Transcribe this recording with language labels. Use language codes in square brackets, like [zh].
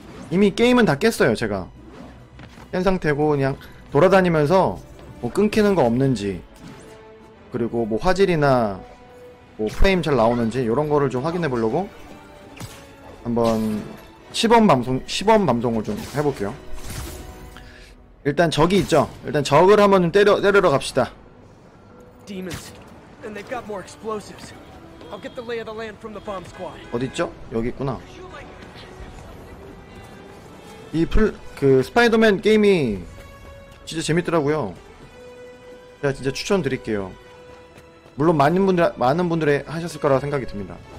[ko] 이미 게임은 다 깼어요, 제가. 깬 상태고 그냥 돌아다니면서 뭐 끊기는 거 없는지 그리고 뭐 화질이나 뭐 프레임 잘 나오는지 이런 거를 좀 확인해 보려고 한번 시범 방송을 좀 해볼게요. 일단 적이 있죠? 일단 적을 한번 때리러 갑시다. [en] Demons, and they've got more explosives. I'll get the lay of the land from the bomb squad. [ko] 어딨죠? 여기 있구나. 스파이더맨 게임이 진짜 재밌더라고요. 제가 진짜 추천드릴게요. 물론 많은 분들이 하셨을 거라 생각이 듭니다.